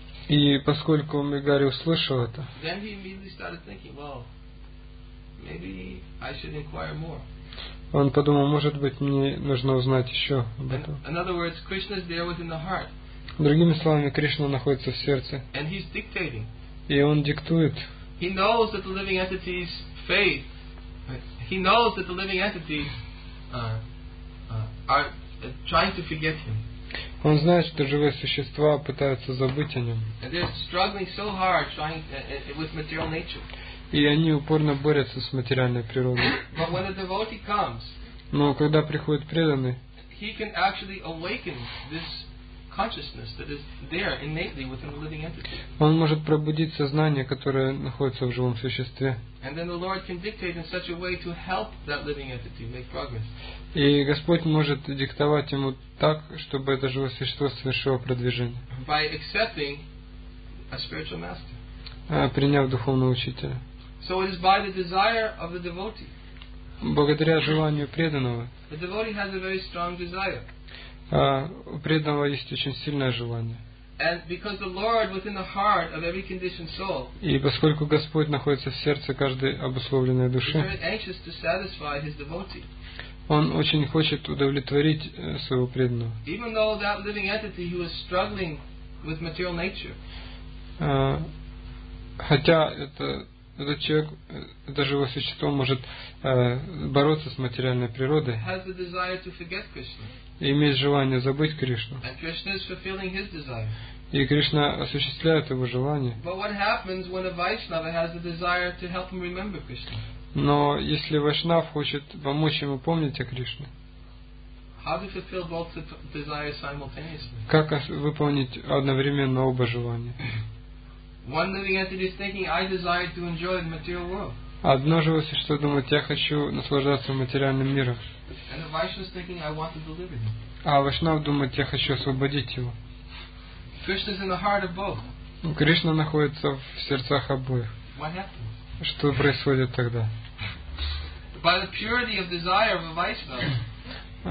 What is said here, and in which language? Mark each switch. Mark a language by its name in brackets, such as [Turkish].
[Russian] И поскольку Мригари услышал это, [English] then he immediately started thinking, well, maybe I should inquire more. [Russian] Он подумал, может быть, мне нужно узнать еще об этом. [English] In other words, Krishna is there within the heart. [Russian] Другими словами, Кришна находится в сердце. [English] And he's dictating. [Russian] И он диктует. [English] He knows that the living entity's faith. He knows that the living entities are trying to forget him. [Russian] Он знает, что живые существа пытаются забыть о нем. [English] And they're struggling so hard, trying with material nature. [Russian] И они упорно борются с материальной природой. [English] But when a devotee comes, [Russian] но когда приходит преданный, [English] he can actually awaken this consciousness that is there innately within the living entity. [Russian] Он может пробудить сознание, которое находится в живом существе. [English] And then the Lord can dictate in such a way to help that living entity make progress. [Russian] И Господь может диктовать ему так, чтобы это живое существо совершило продвижение. [English] By accepting a spiritual master. [Russian] Приняв духовного учителя. [English] So it is by the desire of the devotee. [Russian] Благодаря желанию преданного. [English] The devotee has a very strong desire. [Russian] У преданного есть очень сильное желание. [English] And because the Lord within the heart of every conditioned soul. [Russian] И поскольку Господь находится в сердце каждой обусловленной души. [English] He's very anxious to satisfy his devotee. [Russian] Он очень хочет удовлетворить своего преданного. [English] Even though that living entity who is struggling with material nature. [Russian] Хотя этот человек, это живое существо может бороться с материальной природой. [English] Has the desire to forget Krishna. [Russian] И имеет желание забыть Кришну. [English] And Krishna is fulfilling his desire. [Russian] И Кришна осуществляет его желание. [English] But what happens when a Vaishnava has the desire to help him remember Krishna? [Russian] Но если Вайшнав хочет помочь ему помнить о Кришне, [English] how to fulfill both the desires simultaneously? [Russian] Как выполнить одновременно оба желания? [English] One living entity is thinking, I desire to enjoy the material world. [Russian] Одно живое существо думает, я хочу наслаждаться материальным миром. [English] And the Vaishnava is thinking, I want to deliver him. [Russian] А Вайшнав думает, я хочу освободить его. [English] Krishna is in the heart of both. [Russian] Кришна находится в сердцах обоих. [English] What happens? [Russian] Что происходит тогда? [English] By the purity of desire of a Vaishnava.